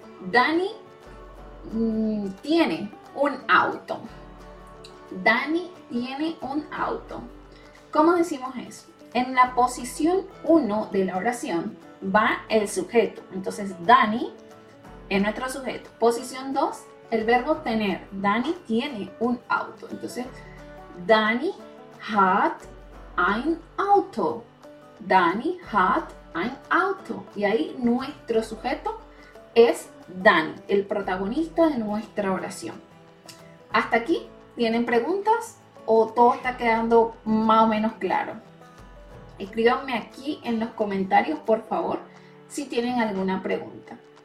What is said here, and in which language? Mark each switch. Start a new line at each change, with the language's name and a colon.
Spanish: Dani tiene un auto. Dani tiene un auto. ¿Cómo decimos eso? En la posición 1 de la oración va el sujeto. Entonces, Dani es nuestro sujeto. Posición 2, el verbo tener. Dani tiene un auto. Entonces,
German: Dani hat ein Auto. Dani hat ein Auto.
Spanish: Y ahí nuestro sujeto es Dani, el protagonista de nuestra oración. ¿Hasta aquí? ¿Tienen preguntas? ¿O todo está quedando más o menos claro? Escríbanme aquí en los comentarios, por favor, si tienen alguna pregunta.